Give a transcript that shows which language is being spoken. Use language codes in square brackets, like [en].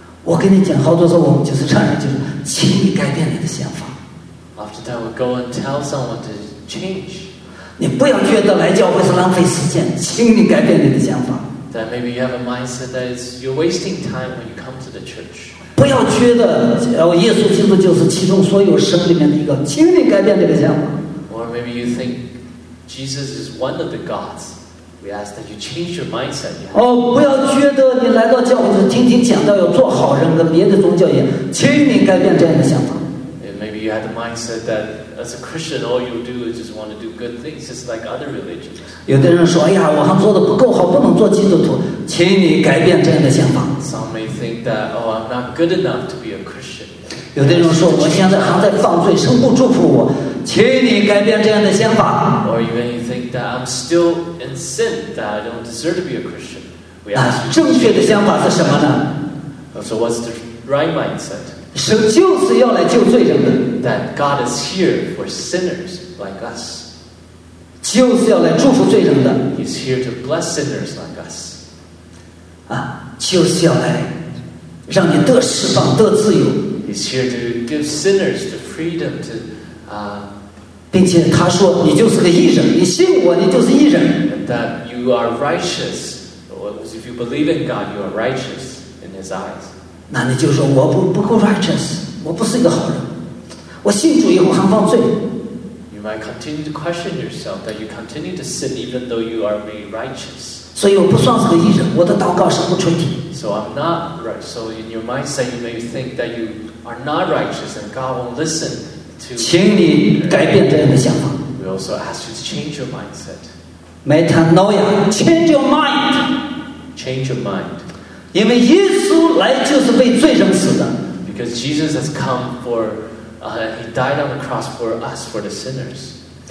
[zh] 我跟你讲，好多时候我们就是这样，就是请你改变你的想法。 [en] After that, we go and tell someone to change. [zh] 你不要觉得来教会是浪费时间，请你改变你的想法。 [en] That maybe you have a mindset that it's, you're wasting time when you come to the church. [zh] 不要觉得耶稣基督就是其中所有神里面的一个，请你改变这个想法。 [en] Or maybe you think Jesus is one of the gods. We ask that you change your mindset. [zh] 不要觉得你来到教会是听听讲道要做好人，跟别的宗教一样，请你改变这样的想法。 [en] And maybe you have a mindset that as a Christian, all you do is just want to do good things, just like other religions. [zh] 有的人说，哎呀，我还做得不够好，不能做基督徒，请你改变这样的想法。 [en] Some may think that, oh, I'm not good enough to be a Christian. [zh] 有的人说，我现在还在犯罪，神不祝福我，请你改变这样的想法。 [en] Or you may think that I'm still in sin, that I don't deserve to be a Christian. [zh] 那正确的想法是什么呢？ [en] So what's the right mindset? [zh] 神就是要来救罪人的。 [en] That God is here for sinners like us. [zh] 就是要来祝福罪人的。 [en] He's here to bless sinners like us. [zh] 就是要来让你得释放、得自由。 [en] He's here to give sinners the freedom to, [zh] 并且他说你就是个义人，你信我，你就是义人。 [en] That you are righteous. If you believe in God, you are righteous in His eyes. [zh] 那你就说我不够 righteous， 我不是一个好人，我信主以后还犯罪。 [en] You might continue to question yourself that you continue to sin even though you are made righteous. [zh] 所以我不算是个义人，我的祷告是不纯净。 [en] So I'm not right. So in your mindset, you may think that you are not righteous and God won't listen to. [zh] 请你改变这样的想法。 [en] We also ask you to change your mindset. Metanoia, change your mind. Change your mind. [zh] 因为耶稣来就是为罪人死的。 [en] Because Jesus has come for, he died on the cross for us, for the sinners.